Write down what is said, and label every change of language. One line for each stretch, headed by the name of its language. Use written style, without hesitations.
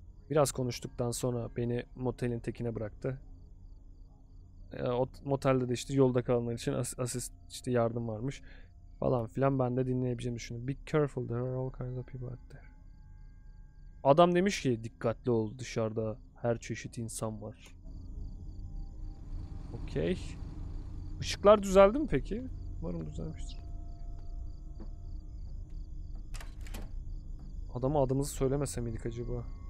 Turkish: Biraz konuştuktan sonra beni motelin tekine bıraktı. Motelde de işte yolda kalanlar için asist işte yardım varmış falan filan. Ben de dinleyebileceğimi düşündüm.
English: Be careful, there are all kinds of people out there.
Turkish: Adam demiş ki dikkatli ol, dışarıda her çeşit insan var. Okey. Işıklar düzeldi mi peki? Umarım düzelmiştir. Adama adımızı söylemese miydik acaba?